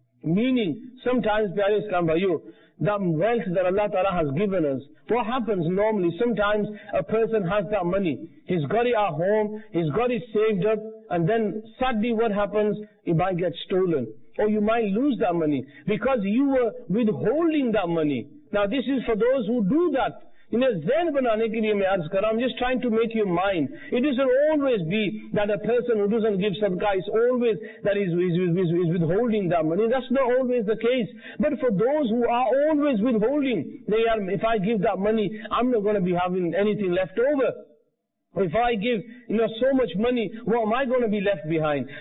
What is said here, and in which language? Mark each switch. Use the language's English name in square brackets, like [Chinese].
[English] Meaning, sometimes, Piyar Islam Bhaiyo, that wealth that Allah Ta'ala has given us, what happens normally, sometimes a person has that money, he's got it at home, he's got it saved up, and then sadly what happens, it might get stolen. Or you might lose that money, because you were withholding that money. Now this is for those who do that. [Urdu] ان ذہن بنانے کے لیے میں عرض کر رہا، [English] I'm just trying to make your mind. It doesn't always be that a person who doesn't give sadaqah is always that is withholding that money. That's not always the case. But for those who are always withholding, they are, if I give that money, I'm not going to be having anything left over. If I give, you know, so much money, what am I going to be left behind?